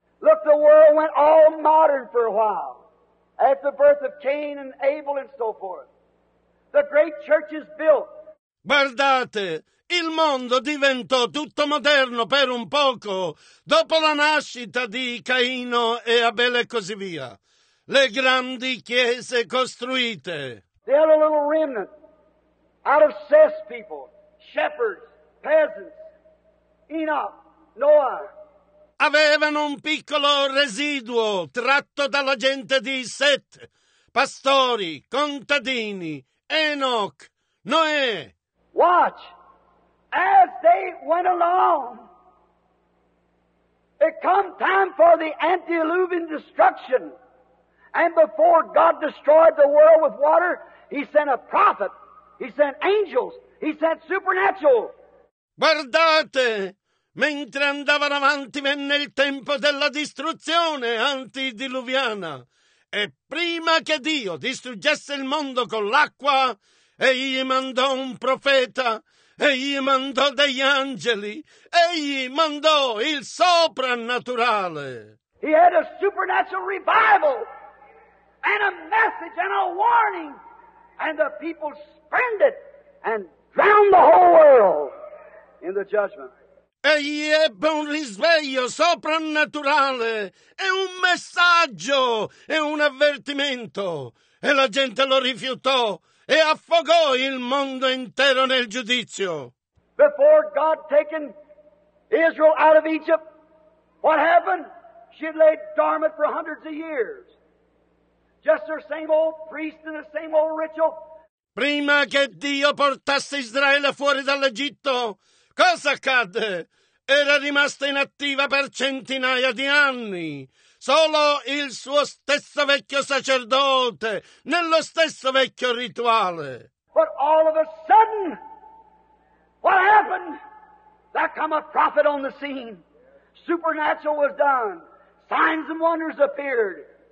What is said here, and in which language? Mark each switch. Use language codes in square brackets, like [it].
[en] Look, the world went all modern for a while, at the birth of Cain and Abel and so forth. The great church is built. [it] Guardate, il mondo diventò tutto moderno per un poco, dopo la nascita di Caino e Abele e così via. Le grandi chiese costruite. [en] They had a little remnant out of Seth's people, shepherds, peasants, Enoch, Noah. [it] Avevano un piccolo residuo tratto dalla gente di Seth, pastori, contadini, Enoch, Noè. [en] Watch. As they went along, it come time for the antediluvian destruction. And before God destroyed the world with water, he sent a prophet, he sent angels, he sent supernatural. [it] Guardate, mentre andavano avanti venne il tempo della distruzione antidiluviana. E prima che Dio distruggesse il mondo con l'acqua, egli mandò un profeta. Egli mandò degli angeli. Egli mandò il soprannaturale. [en] He had a supernatural revival and a message and a warning, and the people spurned it and drowned the whole world in the judgment. [it] Egli ebbe un risveglio soprannaturale e un messaggio e un avvertimento, e la gente lo rifiutò e affogò il mondo intero nel giudizio. [en] Before God taken Israel out of Egypt, what happened? She had laid dormant for hundreds of years. Just her same old priest and the same old ritual. [it] Prima che Dio portasse Israele fuori dall'Egitto, cosa accadde? Era rimasta inattiva per centinaia di anni. Solo il suo stesso vecchio sacerdote, nello stesso vecchio rituale. [en] But all of a sudden, what happened? There come a prophet on the scene. Supernatural was done. Signs and wonders appeared.